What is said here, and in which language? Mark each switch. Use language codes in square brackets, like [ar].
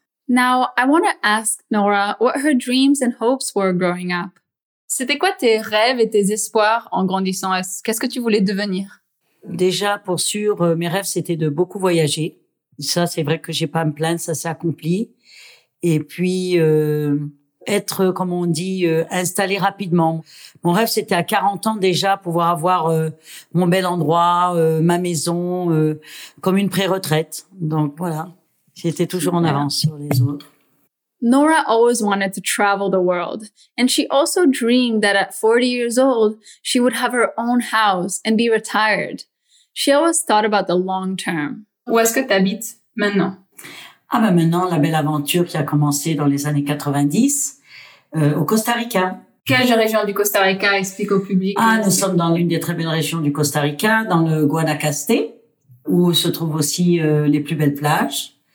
[en] Now, I want to ask Nora what her dreams and hopes were growing up. [fr] C'était quoi tes rêves et tes espoirs en grandissant? Qu'est-ce que tu voulais devenir? Déjà, pour sûr, mes rêves, c'était de beaucoup voyager. Ça, c'est vrai que j'ai pas à me plaindre, ça s'est accompli. Et puis, être, comme on dit, installé rapidement. Mon rêve, c'était à 40 ans déjà, pouvoir avoir mon bel endroit, ma maison, comme une pré-retraite. Donc voilà, j'étais toujours en avance sur les autres. [en] Nora always wanted to travel the world. And she also dreamed that at 40 years old, she would have her own house and be retired. She always thought about the long term. [fr] Où est-ce que tu habites maintenant? Ah ben maintenant, la belle aventure qui a commencé dans les années 90, au Costa Rica. Quelle région du Costa Rica? Explique au public. Ah, nous sommes dans l'une des très belles régions du Costa Rica, dans le Guanacaste, où se trouvent aussi les plus belles plages.